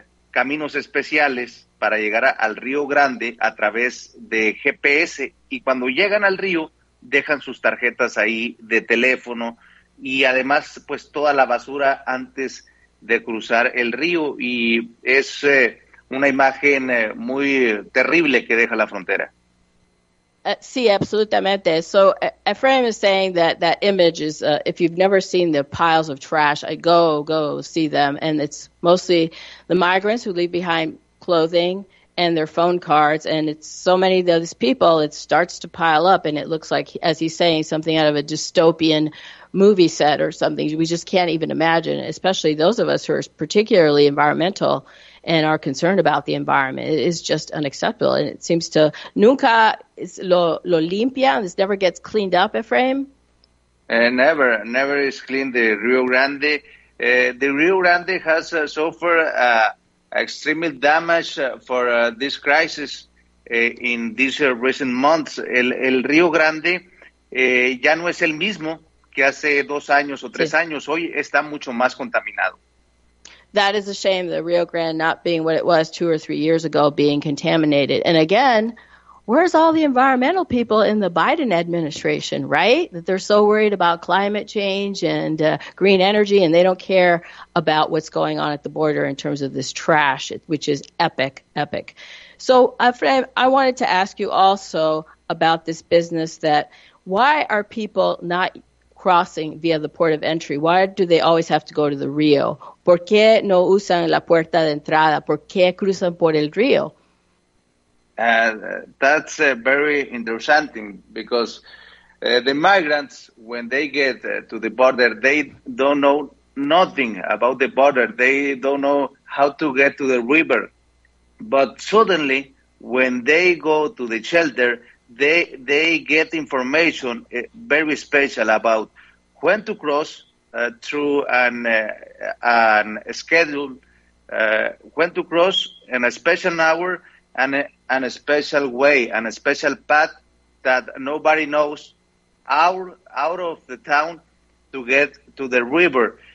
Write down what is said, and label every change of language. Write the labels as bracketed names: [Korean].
[Spanish] caminos especiales para llegar al Río Grande a través de GPS, y cuando llegan al río dejan sus tarjetas ahí de teléfono y además pues toda la basura antes de cruzar el río, y es una imagen muy terrible que deja la frontera. Sí, absolutamente. [English] So Efraim is saying that image is, if you've never seen the piles of trash, go see them. And it's mostly the migrants who leave behind clothing and their phone cards. And it's so many of those people, it starts to pile up. And it looks like, as he's saying, something out of a dystopian movie set or something. We just can't even imagine, especially those of us who are particularly environmental and are concerned about the environment. It is just unacceptable. And it seems to [Spanish] nunca es lo limpia. [English] This never gets cleaned up, Efraim? Never is cleaned the Rio Grande. The Rio Grande has suffered extreme damage for this crisis in these recent months. [Spanish] El Rio Grande ya no es el mismo que hace 2 años o 3 años. Hoy está mucho más contaminado. [English] That is a shame, the Rio Grande not being what it was 2 or 3 years ago, being contaminated. And again, where's all the environmental people in the Biden administration, right? That they're so worried about climate change and green energy, and they don't care about what's going on at the border in terms of this trash, which is epic. So, Efraim, I wanted to ask you also about this business that why are people not crossing via the port of entry? Why do they always have to go to the Rio? [Spanish] ¿Por qué no usan la puerta de entrada? ¿Por qué cruzan por el río? [English] That's very interesting, because the migrants, when they get to the border, they don't know nothing about the border. They don't know how to get to the river. But suddenly, when they go to the shelter, they get information very special about when to cross through an schedule, when to cross in a special hour and an special way, and a special path that nobody knows, out of the town to get to the river.